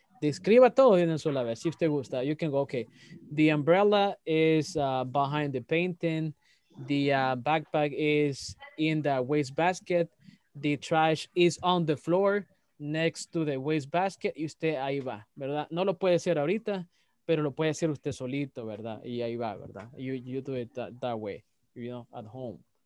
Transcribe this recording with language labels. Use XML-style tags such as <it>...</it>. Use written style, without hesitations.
<es>Describa todo en una sola vez. Si usted gusta,</es> <en>you can go, okay. The umbrella is behind the painting. The backpack is in the waste basket. The trash is on the floor next to the waste basket.</en> <es>Y usted ahí va, ¿verdad? No lo puede hacer ahorita, pero lo puede hacer usted solito, ¿verdad? Y ahí va, ¿verdad?</es> <en>You do it that way, you know, at home.</en>